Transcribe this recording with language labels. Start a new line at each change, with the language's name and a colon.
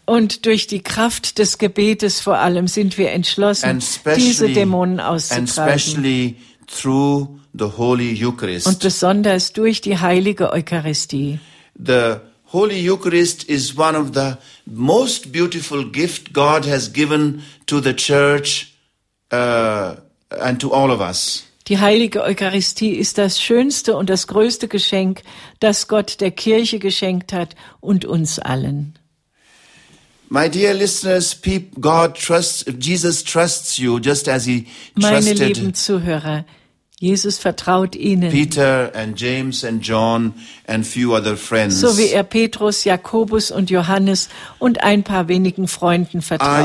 German: Und durch die Kraft des Gebetes vor allem sind wir entschlossen, diese Dämonen auszutreiben.
English: And especially through the Holy Eucharist.
German: Und besonders durch die heilige Eucharistie.
English: The Holy Eucharist is one of the most beautiful gift God has given to the church and to all of us.
German: Die heilige Eucharistie ist das schönste und das größte Geschenk, das Gott der Kirche geschenkt hat und uns allen.
English: My dear listeners, Jesus trusts you just as he trusted.
German: Meine lieben Zuhörer, Jesus vertraut Ihnen.
English: Peter and James and John and few other friends.
German: So wie er Petrus, Jakobus und Johannes und ein paar wenigen Freunden vertraut hat.